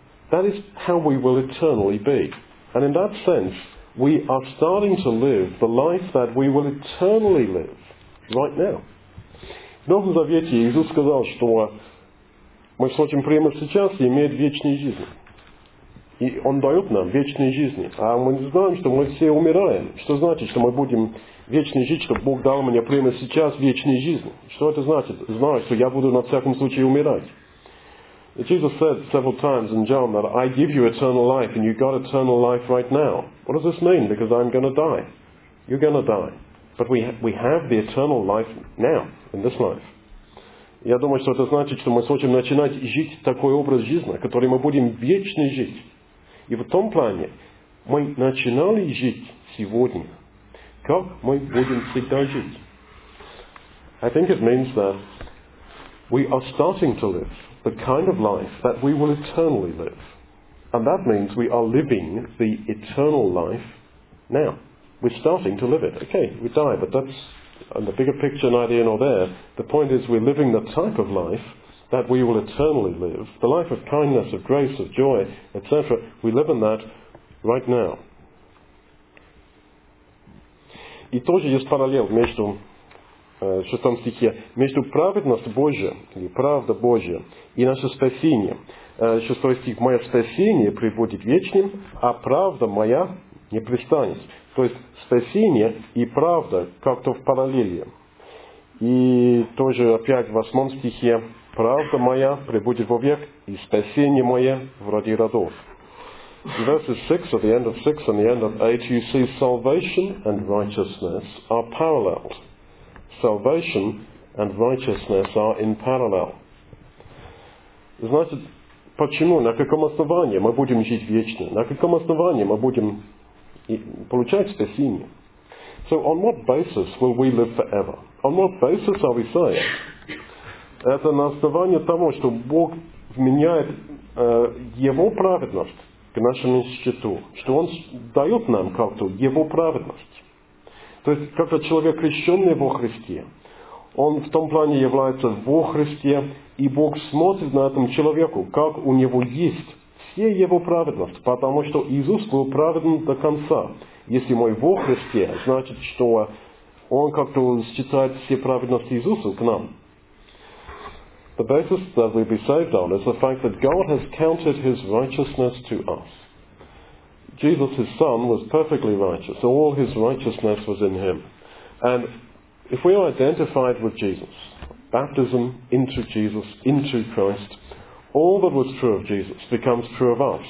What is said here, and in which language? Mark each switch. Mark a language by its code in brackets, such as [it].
[en] That is how we will eternally be. And in that sense, we are starting to live the life that we will eternally live right now. [ru] В Новом Завете Иисус сказал, что мы смотрим прямо сейчас и имеем вечную жизнь. И Он дает нам вечную жизнь. А мы знаем, что мы все умираем. Что значит, что мы будем вечно жить, что Бог дал мне прямо сейчас вечную жизнь? Что это значит? Знаю, что я буду на всяком случае умирать. [en] Jesus said several times in John that I give you eternal life and you got eternal life right now. What does this mean? Because I'm going to die. You're going to die. But we have the eternal life now, in this life. [ru] Я думаю, что это значит, что мы сможем начинать жить такой образ жизни, который мы будем вечно жить. И в том плане, мы начинали жить сегодня. Как мы будем всегда жить? [en] I think it means that we are starting to live the kind of life that we will eternally live. And that means we are living the eternal life now. We're starting to live it. Okay, we die, but that's in the bigger picture, neither here nor there. The point is we're living the type of life that we will eternally live. The life of kindness, of grace, of joy, etc. We live in that right now. [ru] И тоже есть параллель между шестом стихе, между праведностью Божия, или правда Божия, и наше спасение. Шестой стих, мое спасение приводит вечным, а правда моя не пристанет. То есть спасение и правда как-то в параллели. И тоже опять в восьмом стихе, правда моя прибудет вовек, и спасение мое в роди родов. [en] Verses 6, at the end of 6 and the end of 8, you see salvation and righteousness are paralleled. Salvation and righteousness are in parallel. [ru] Значит, почему, на каком основании мы будем жить вечно? На каком основании мы будем получать спасение? [en] So, on what basis will we live forever? On what basis are we saved? [ru] Это на основании того, что Бог вменяет Его праведность к нашему счету, что Он дает нам как-то Его праведность. То есть, как-то человек, крещенный во Христе, он в том плане является во Христе, и Бог смотрит на этому человеку, как у него есть все Его праведность, потому что Иисус был праведен до конца. Если мой во Христе, значит, что Он как-то считает все праведности Иисуса к нам. [en] The basis that we be saved on is the fact that God has counted His righteousness to us. Jesus, His Son, was perfectly righteous. All His righteousness was in Him. And if we are identified with Jesus, baptism into Jesus, into Christ, all that was true of Jesus becomes true of us.